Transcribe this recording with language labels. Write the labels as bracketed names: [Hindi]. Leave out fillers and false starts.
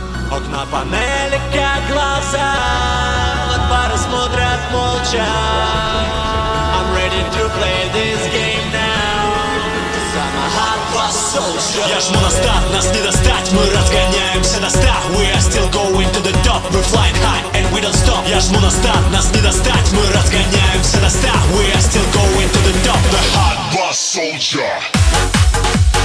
[Russian] Окна панели, как глаза, вот пары смотрят молча. [English] I'm ready to play this game now, cause I'm a hardcore soldier. [Russian] Я жму на старт, нас не достать, мы разгоняемся до ста. [English] We are still going to the top, we're flying high and we don't stop. [Russian] Я жму на старт, нас не достать, мы разгоняемся до ста. [English] We are still going to the top, the hardcore soldier.